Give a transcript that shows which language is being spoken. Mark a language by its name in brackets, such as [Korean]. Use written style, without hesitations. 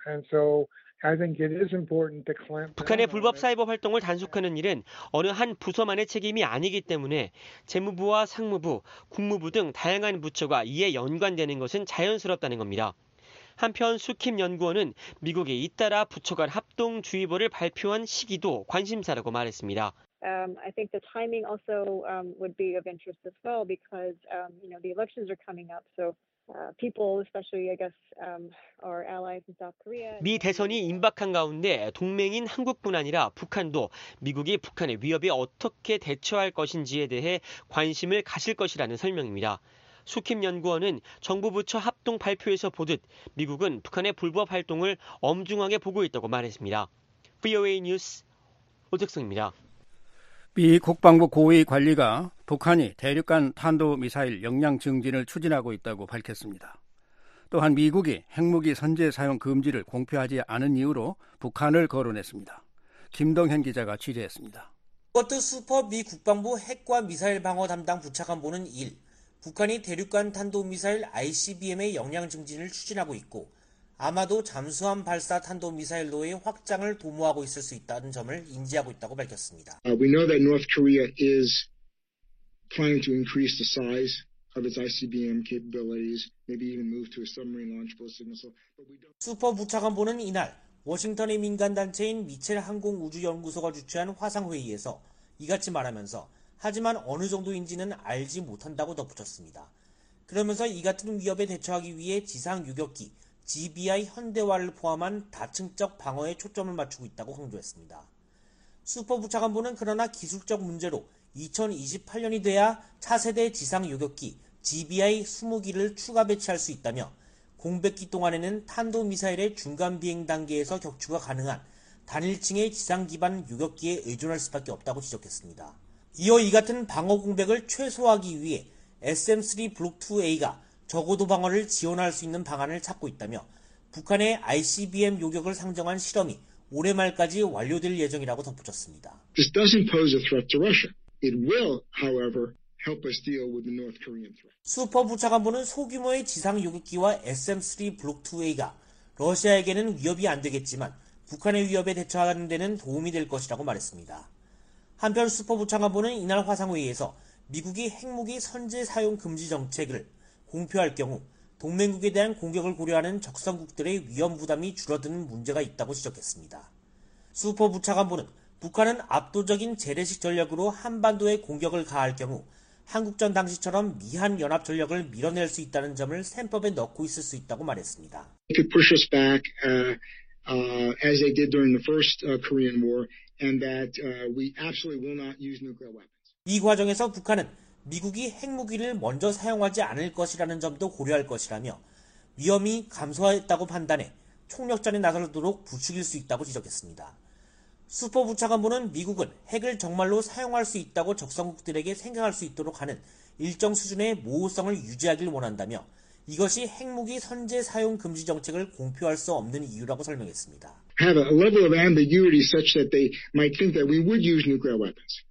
[English] And so I think it is important to clamp down. [Korean] 북한의 불법 사이버 활동을 단속하는 일은 어느 한 부서만의 책임이 아니기 때문에 재무부와 상무부, 국무부 등 다양한 부처가 이에 연관되는 것은 자연스럽다는 겁니다. 한편 수킴 연구원은 미국이 잇따라 부처 간 합동 주의보를 발표한 시기도 관심사라고 말했습니다. [English] I think the timing also would be of interest as well because you know the elections are coming up so people, especially, I guess, our allies in South Korea. [Korean] 미 대선이 임박한 가운데 동맹인 한국뿐 아니라 북한도 미국이 북한의 위협에 어떻게 대처할 것인지에 대해 관심을 가실 것이라는 설명입니다. 수킴 연구원은 정부 부처 합동 발표에서 보듯 미국은 북한의 불법 활동을 엄중하게 보고 있다고 말했습니다. VOA 뉴스 오덕성입니다. 미 국방부 고위 관리가 북한이 대륙 간 탄도미사일 역량 증진을 추진하고 있다고 밝혔습니다. 또한 미국이 핵무기 선제 사용 금지를 공표하지 않은 이유로 북한을 거론했습니다. 김동현 기자가 취재했습니다. 스코트 슈퍼 미 국방부 핵과 미사일 방어 담당 부차관보는 1. 북한이 대륙 간 탄도미사일 ICBM의 역량 증진을 추진하고 있고 아마도 잠수함 발사 탄도미사일로의 확장을 도모하고 있을 수 있다는 점을 인지하고 있다고 밝혔습니다. [English] We know that North Korea is planning to increase the size of its ICBM capabilities, maybe even move to a submarine launch vessel. So, but we don't. [Korean] 슈퍼 부차관보는 이날 워싱턴의 민간단체인 미첼 항공우주연구소가 주최한 화상회의에서 이같이 말하면서 하지만 어느 정도인지는 알지 못한다고 덧붙였습니다. 그러면서 이 같은 위협에 대처하기 위해 지상 유격기 GBI 현대화를 포함한 다층적 방어에 초점을 맞추고 있다고 강조했습니다. 슈퍼 부차관보는 그러나 기술적 문제로 2028년이 돼야 차세대 지상 요격기 GBI 20기를 추가 배치할 수 있다며 공백기 동안에는 탄도미사일의 중간 비행 단계에서 격추가 가능한 단일층의 지상 기반 요격기에 의존할 수밖에 없다고 지적했습니다. 이어 이 같은 방어 공백을 최소화하기 위해 SM-3 블록2A가 저고도 방어를 지원할 수 있는 방안을 찾고 있다며 북한의 ICBM 요격을 상정한 실험이 올해 말까지 완료될 예정이라고 덧붙였습니다. [English] This doesn't pose a threat to Russia. It will, however, help us deal with the North Korean threat. [Korean] 슈퍼 부차관보는 소규모의 지상 요격기와 SM-3 블록2A가 러시아에게는 위협이 안 되겠지만 북한의 위협에 대처하는 데는 도움이 될 것이라고 말했습니다. 한편 슈퍼 부차관보는 이날 화상회의에서 미국이 핵무기 선제 사용 금지 정책을 공표할 경우 동맹국에 대한 공격을 고려하는 적성국들의 위험 부담이 줄어드는 문제가 있다고 지적했습니다. 슈퍼 부차관보는 북한은 압도적인 재래식 전력으로 한반도에 공격을 가할 경우 한국전 당시처럼 미한 연합 전력을 밀어낼 수 있다는 점을 셈법에 넣고 있을 수 있다고 말했습니다. [English] They could push us back as they did during the first Korean War and that we absolutely will not use nuclear weapons. [Korean] 이 과정에서 북한은 미국이 핵무기를 먼저 사용하지 않을 것이라는 점도 고려할 것이라며 위험이 감소했다고 판단해 총력전에 나서도록 부추길 수 있다고 지적했습니다. 슈퍼 부차관보는 미국은 핵을 정말로 사용할 수 있다고 적성국들에게 생각할 수 있도록 하는 일정 수준의 모호성을 유지하길 원한다며 이것이 핵무기 선제 사용 금지 정책을 공표할 수 없는 이유라고 설명했습니다. [English] Have a level of ambiguity such that they might think that we would use nuclear weapons.